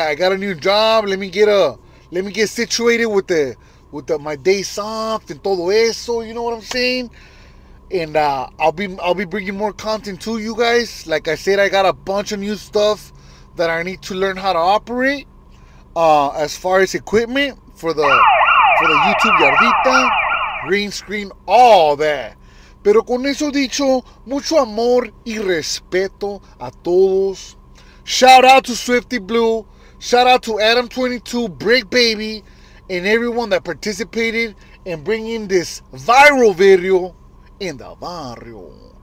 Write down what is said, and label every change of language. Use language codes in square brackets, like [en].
[en] I got a new job. Let me get situated with my days off and [es] todo eso. [en] You know what I'm saying? And I'll be bringing more content to you guys. Like I said, I got a bunch of new stuff that I need to learn how to operate. As far as equipment for the YouTube yardita. Green screen, all that. [es] Pero con eso dicho, mucho amor y respeto a todos. [en] Shout out to Swifty Blue. Shout out to Adam22, Brick Baby, and everyone that participated in bringing this viral video in the barrio.